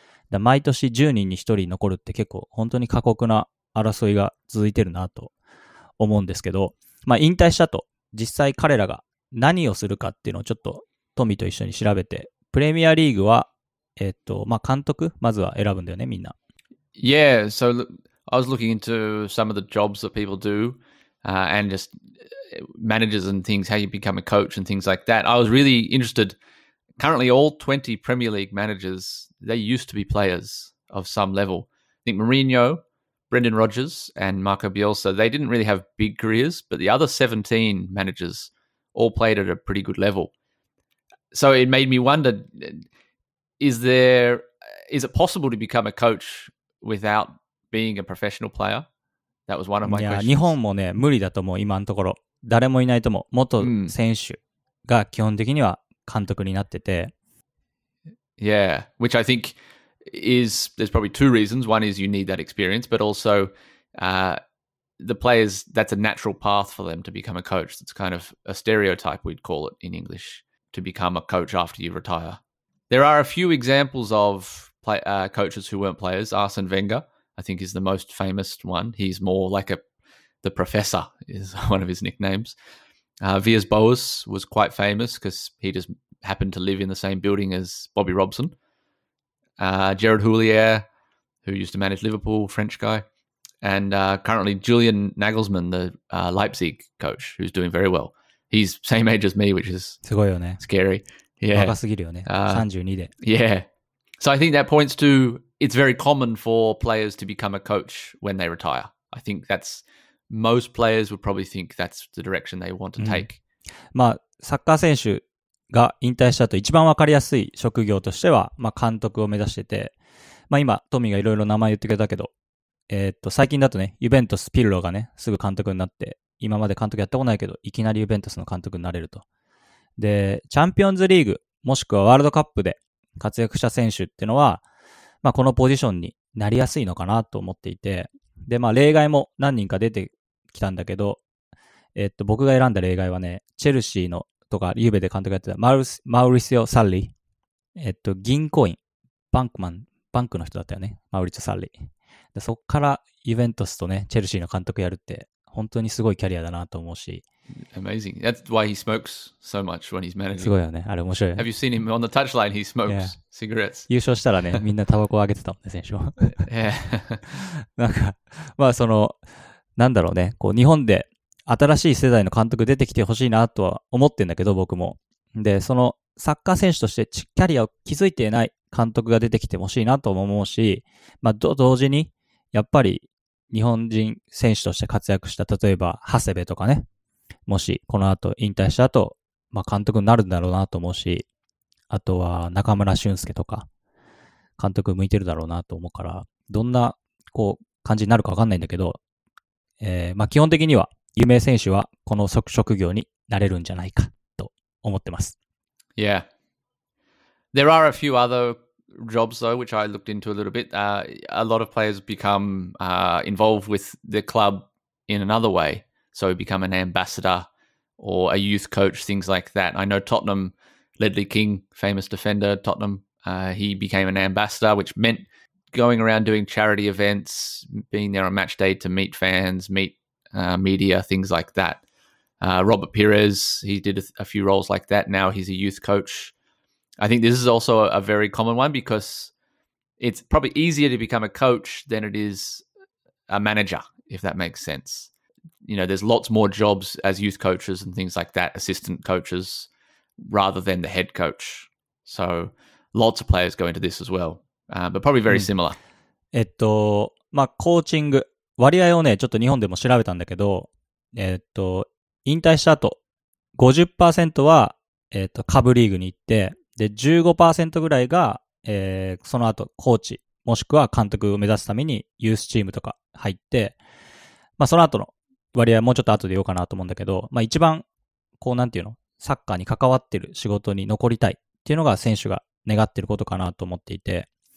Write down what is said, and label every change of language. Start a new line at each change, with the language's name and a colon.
Japanese: で、毎年10人に1人残るって結構本当に過酷な争いが続いてるなと。思うんですけど、まあ、引退したと実際彼らが何をするかっていうのをちょっとトミーと一緒に調べて、プレミアリーグは、まあ、監督まずは選ぶんだよね、みんな。
English: Yeah, so I was looking into some of the jobs that people do、and just managers and things, how you become a coach and things like that. I was really interested. Currently all 20 Premier League managers, they used to be players of some level. I think MourinhoBrendan Rodgers and Marco Bielsa, they didn't really have big careers, but the other 17 managers all played at a pretty good level. So it made me wonder, is it possible to become a coach without being a professional player? That was one of my questions.
Japanese: 日本もね、無理だと思う、今のところ。誰もいないと思う。元選手が基本的には監督になってて。
English: Yeah, which I think... is there's probably two reasons. One is you need that experience, but also the players, that's a natural path for them to become a coach. It's kind of a stereotype, we'd call it in English, to become a coach after you retire. There are a few examples of coaches who weren't players. Arsene Wenger, I think, is the most famous one. He's more like the professor is one of his nicknames. Villas Boas was quite famous because he just happened to live in the same building as Bobby Robson. Gerard Houllier, who used to manage Liverpool, French guy, and currently Julian Nagelsmann, the Leipzig coach, who's doing very well. He's same age as me, which is
Japanese: すごいよね。
English: Scary. Yeah.
Japanese: 若すぎるよね。32で。
English: Yeah. So I think that points to it's very common for players to become a coach when they retire. I think that's most players would probably think that's the direction they want to take.、
Japanese: まあ、サッカー選手が引退した後一番わかりやすい職業としては、まあ、監督を目指してて、まあ、今トミーがいろいろ名前言ってくれたけど、最近だとね、ユベントスピルロがねすぐ監督になって、今まで監督やってこないけどいきなりユベントスの監督になれると。で、チャンピオンズリーグもしくはワールドカップで活躍した選手っていうのは、まあ、このポジションになりやすいのかなと思っていて、で、まあ、例外も何人か出てきたんだけど、僕が選んだ例外はね、チェルシーのとかユベで監督やってたマウリシオ・サッリ、銀行員バンクマンバンクの人だったよね、マウリシオ・サッリ。でそっからユベントスとねチェルシーの監督やるって本当にすごいキャリアだなと思うし、
English: Amazing. That's why he smokes so much when he's managing.
Japanese: すごいよね。あれ面白いね。
English: Have you seen him on the touchline? He smokes、yeah. cigarettes.
Japanese: 優勝したらね、みんなタバコをあげてたもんね、選手は。
English: Yeah.
Japanese: なんか、まあその、なんだろうね、こう、日本で新しい世代の監督出てきてほしいなとは思ってんだけど、僕も。で、そのサッカー選手としてキャリアを築いていない監督が出てきてほしいなとも思うし、まあ、同時に、やっぱり日本人選手として活躍した、例えば、長谷部とかね、もし、この後、引退した後、まあ、監督になるんだろうなと思うし、あとは、中村俊輔とか、監督向いてるだろうなと思うから、どんな、こう、感じになるかわかんないんだけど、まあ、基本的には、有名選手は、この職業になれるんじゃないか、と思ってます。
English: Yeah. There are a few other jobs, though, which I looked into a little bit. A lot of players become, involved with the club in another way. So become an ambassador or a youth coach, things like that. I know Tottenham, Ledley King, famous defender, Tottenham, he became an ambassador, which meant going around doing charity events, being there on match day to meet fans, meet media, things like that. Robert Pires, he did a few roles like that. Now he's a youth coach. I think this is also a very common one because it's probably easier to become a coach than it is a manager, if that makes sense. You know, there's lots more jobs as youth coaches and things like that, assistant coaches, rather than the head coach. So lots of players go into this as well, but probably very similar.、
Japanese: うん、まあ、コーチング、割合をね、ちょっと日本でも調べたんだけど、引退した後、50% は、下部リーグに行って、で、15% ぐらいが、その後、コーチ、もしくは監督を目指すために、ユースチームとか入って、まあ、その後の、割合もうちょっと後で言おうかなと思うんだけど、まあ一番、こうなんていうの、サッカーに関わってる仕事に残りたいっていうのが選手が願ってることかなと思っていて。